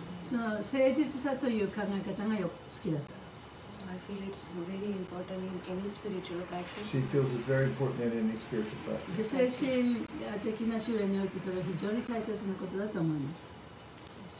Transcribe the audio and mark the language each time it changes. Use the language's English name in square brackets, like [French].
[Japanese] その誠実さという考え方がよく好きだった。 [English] So I feel it's very important in any spiritual practice. She feels it's very important in any spiritual practice. [Japanese] 精神的な修練においてそれは非常に大切なことだと思います。